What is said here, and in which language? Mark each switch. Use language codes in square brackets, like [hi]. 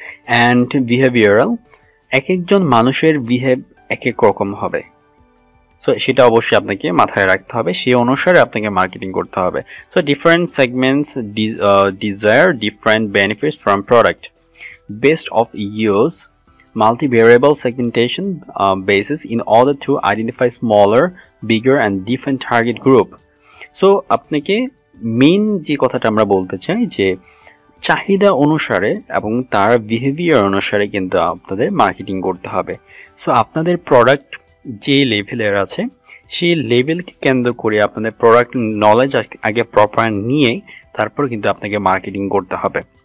[bn] And behavioural, এক একজন মানুষের বিহেভ এক এক রকম হবে, সো সেটা অবশ্যই আপনাকে মাথায় রাখতে হবে, সেই অনুসারে আপনাকে মার্কেটিং করতে হবে। [en] So different segments desire different benefits from product best of use multi-variable segmentation basis in order to identify smaller, bigger and different target group. [bn] So, আপনাকে main যে কথাটা আমরা বলতে চাই যে চাহিদা অনুসারে এবং তার behavior অনুসারে কিন্তু আপনাদের মার্কেটিং করতে হবে. So, আপনাদের প্রোডাক্ট যে লেভেলের আছে সেই লেভেলকে কেন্দ্র করে আপনাদের প্রোডাক্ট নলেজ আগে প্রপার নিয়ে তারপর কিন্তু আপনাকে মার্কেটিং করতে হবে.